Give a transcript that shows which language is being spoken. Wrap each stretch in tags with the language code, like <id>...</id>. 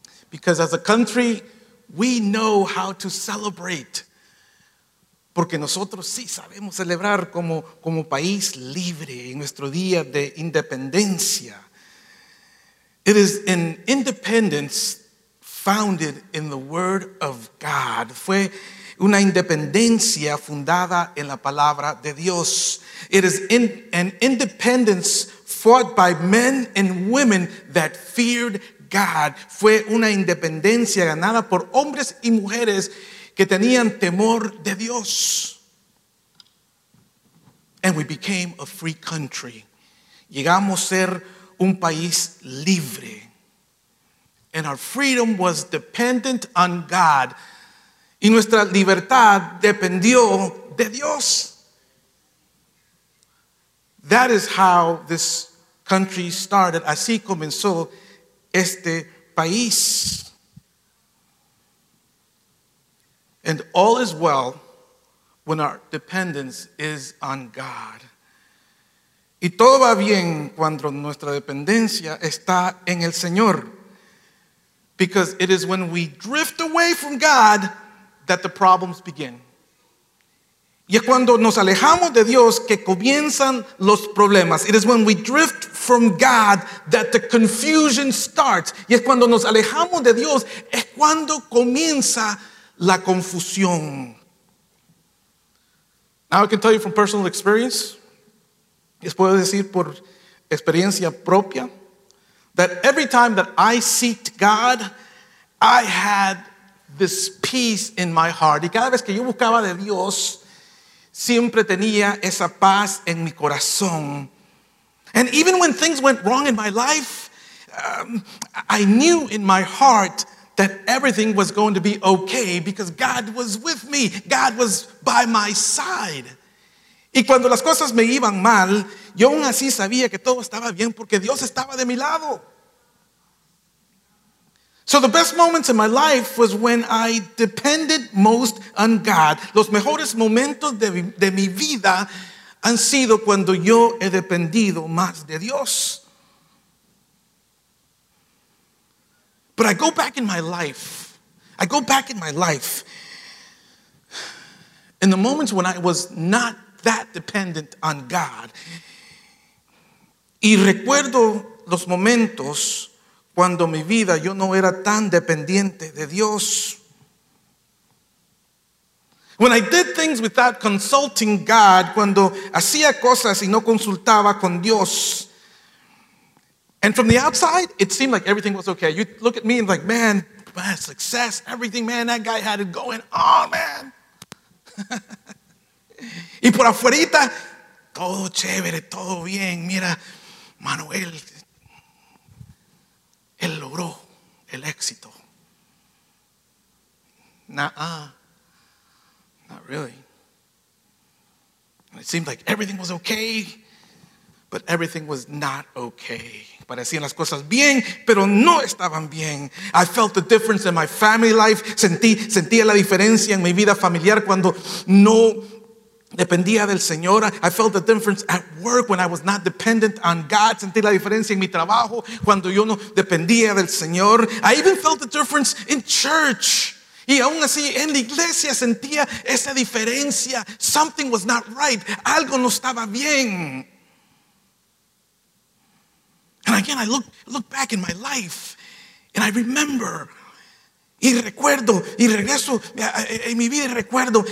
<en>Because as a country, we know how to celebrate.</en> <es>Porque nosotros sí sabemos celebrar como país libre en nuestro día de independencia.</es> <en>It is an independence founded in the word of God.</en> <es>Fue una independencia fundada en la palabra de Dios.</es> <en>It is an independence fought by men and women that feared God.</en> <es>Fue una independencia ganada por hombres y mujeres que tenían temor de Dios.</es> <en>And we became a free country.</en> <es>Llegamos a ser un país libre.</es> <en>And our freedom was dependent on God.</en> <es>Y nuestra libertad dependió de Dios.</es> <en>That is how this country started.</en> <es>Así comenzó este país.</es> <en>And all is well when our dependence is on God.</en> <es>Y todo va bien cuando nuestra dependencia está en el Señor.</es> <en>Because it is when we drift away from God that the problems begin.</en> <es>Y es cuando nos alejamos de Dios que comienzan los problemas.</es> <en>It is when we drift from God that the confusion starts.</en> <es>Y es cuando nos alejamos de Dios es cuando comienza la confusión.</es> <en>Now I can tell you from personal experience.</en> <es>Les puedo decir por experiencia propia</es> <en>that every time that I seeked God, I had this peace in my heart.</en> <es>Y cada vez que yo buscaba de Dios, siempre tenía esa paz en mi corazón.</es> <en>And even when things went wrong in my life, I knew in my heart that everything was going to be okay because God was with me. God was by my side.</en> <es>Y cuando las cosas me iban mal, yo aún así sabía que todo estaba bien porque Dios estaba de mi lado.</es> <en>So the best moments in my life was when I depended most on God.</en> <es>Los mejores momentos de mi vida han sido cuando yo he dependido más de Dios.</es> <en>But I go back in my life. I go back in my life. In the moments when I was not that dependent on God.</en> <es>Y recuerdo los momentos cuando mi vida yo no era tan dependiente de Dios.</es> <en>When I did things without consulting God,</en> <es>cuando hacía cosas y no consultaba con Dios.</es> <en>And from the outside, it seemed like everything was okay. You look at me and like, man, man, success, everything, man, that guy had it going on, man.</en> <es>Y por afuerita, todo chévere, todo bien. Mira, Manuel, él logró el éxito.</es> <en>Nah, not really. It seemed like everything was okay, but everything was not okay.</en> <es>Parecían las cosas bien, pero no estaban bien.</es> <en>I felt the difference in my family life.</en> <es>Sentía la diferencia en mi vida familiar cuando no dependía del Señor.</es> <en>I felt the difference at work when I was not dependent on God.</en> <es>Sentí la diferencia en mi trabajo cuando yo no dependía del Señor.</es> <en>I even felt the difference in church.</en> <es>Y aún así en la iglesia sentía esa diferencia.</es> <en>Something was not right.</en> <es>Algo no estaba bien.</es> <en>And again, I look back in my life and I remember.</en> <es>Y recuerdo, y regreso en mi vida y recuerdo.</es>